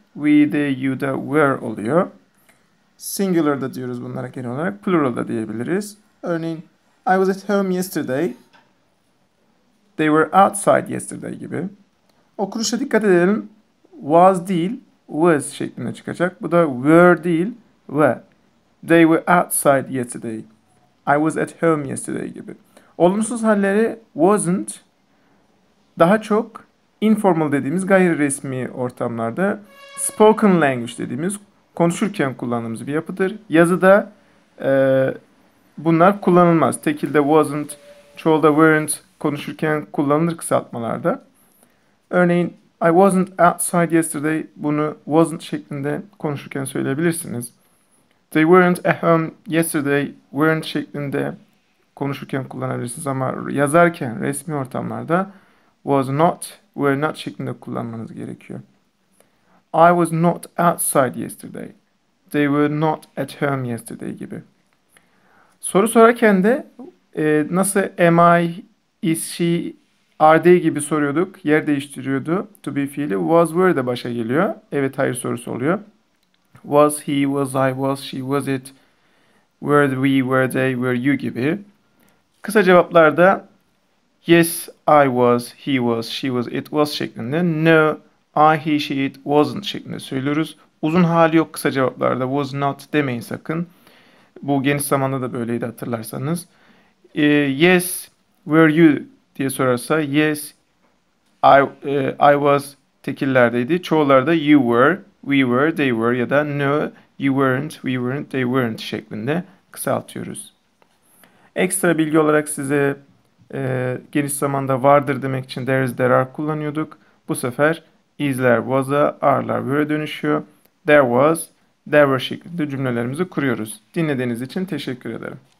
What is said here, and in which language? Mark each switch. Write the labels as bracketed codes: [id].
[en] We, they, you da were oluyor. [tr] Singular da diyoruz bunlara genel olarak. Plural da diyebiliriz. [en] Örneğin, I was at home yesterday. They were outside yesterday gibi. [tr] Okunuşa dikkat edelim. Was değil, was şeklinde çıkacak. Bu da were değil, were. [en] They were outside yesterday. I was at home yesterday gibi. [tr] Olumsuz halleri wasn't, daha çok informal dediğimiz gayri resmi ortamlarda spoken language dediğimiz konuşurken kullandığımız bir yapıdır. Yazıda bunlar kullanılmaz. Tekilde wasn't, çoğulda weren't konuşurken kullanılır kısaltmalarda. Örneğin [en] I wasn't outside yesterday [tr] bunu wasn't şeklinde konuşurken söyleyebilirsiniz. [en] They weren't at home yesterday, [tr] weren't şeklinde konuşurken kullanabilirsiniz ama yazarken resmi ortamlarda was not, were not şeklinde kullanmanız gerekiyor. [en] I was not outside yesterday. They were not at home yesterday gibi. [tr] Soru sorarken de nasıl [en] am I, is she, are they [tr] gibi soruyorduk. Yer değiştiriyordu. To be fiili was, were de başa geliyor. Evet, hayır sorusu oluyor. [en] Was he, was I, was she, was it, were we, were they, were you gibi. Kısa cevaplarda yes, I was, he was, she was, it was şeklinde. No, I, he, she, it wasn't şeklinde söylüyoruz. [tr] Uzun hali yok kısa cevaplarda. Was not demeyin sakın. Bu geniş zamanda da böyleydi hatırlarsanız. [en] Yes, were you [tr] diye sorarsa [en] yes, I was tekillerdeydi. Çoğularda you were. We were, they were ya da no, you weren't, we weren't, they weren't şeklinde kısaltıyoruz. [tr] Ekstra bilgi olarak size geniş zamanda vardır demek için there is, there are kullanıyorduk. Bu sefer is'ler was'a, are'lar were'e dönüşüyor. [en] There was, there were [tr] şeklinde cümlelerimizi kuruyoruz. Dinlediğiniz için teşekkür ederim.